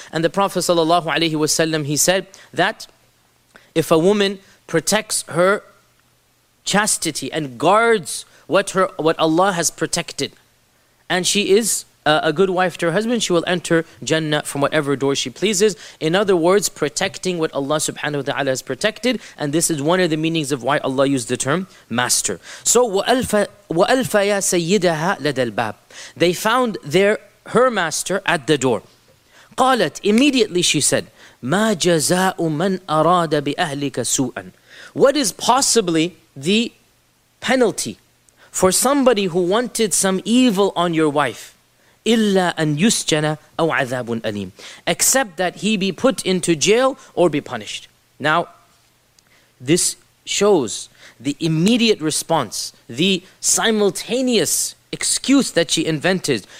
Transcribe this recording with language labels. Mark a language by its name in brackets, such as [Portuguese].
[English] And the Prophet sallallahu alayhi wasallam, he said that if a woman protects her chastity and guards what Allah has protected, and she is a good wife to her husband, she will enter Jannah from whatever door she pleases. In other words, protecting what Allah subhanahu wa ta'ala has protected. And this is one of the meanings of why Allah used the term master. [Arabic] So, وَأَلْفَ يَا سَيِّدَهَا لَدَ الْبَابِ. [English] They found her master at the door. [Arabic] قَالَتْ. [English] Immediately she said, [Arabic] مَا جَزَاءُ مَنْ أَرَادَ بِأَهْلِكَ سُوءًا. [English] What is possibly the penalty for somebody who wanted some evil on your wife? [Arabic] Illa an yusjana aw adhabun aleem. [English] Except that he be put into jail or be punished. Now, this shows the immediate response, the simultaneous excuse that she invented.